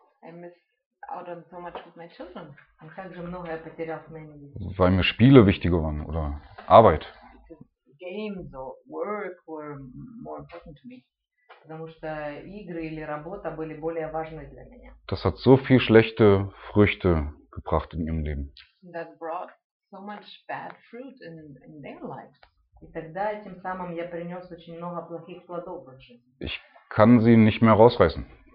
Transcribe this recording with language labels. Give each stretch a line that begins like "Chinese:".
English: I missed out on so much with my children.
German: Und
Russian: как же много я потерял с моими детьми.
German: Weil mir Spiele wichtiger waren oder Arbeit.
English: Games or work were more important to me.
Russian: Потому что игры или работа были более важны для меня.
German: Das hat so viel schlechte Früchte gebracht in ihrem Leben.
English: That brought so much bad fruit in their lives.
Russian: И тогда тем самым я принес очень много плохих плодов в жизни.
German: Ich kann sie nicht mehr rausreißen.